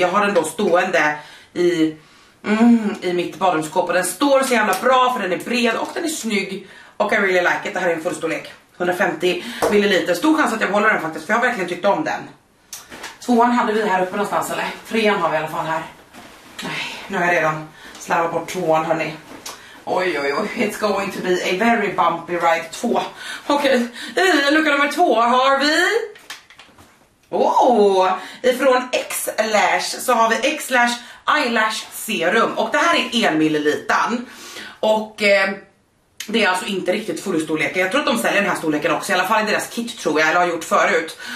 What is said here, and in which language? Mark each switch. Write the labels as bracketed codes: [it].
[sv] Jag har den då stående i mitt badrumsskåp, och den står så jävla bra för den är bred och den är snygg, och [en] I really like it. [sv] Det här är en full storlek. 150 ml, stor chans att jag håller den faktiskt, för jag har verkligen tyckt om den. Tvåan hade vi här uppe någonstans, eller? Trean har vi i alla fall här. Nej, nu har jag redan slarvat bort tvåan, hörni. [en] Oj, oj, oj, it's going to be a very bumpy ride. [sv] Två. Okej, i lucka nummer två har vi... ifrån X-Lash så har vi X-Lash Eyelash Serum. Och det här är 1 ml. Och... det är alltså inte riktigt full storlek. Jag tror att de säljer den här storleken också, i alla fall i deras kit tror jag, eller har gjort förut.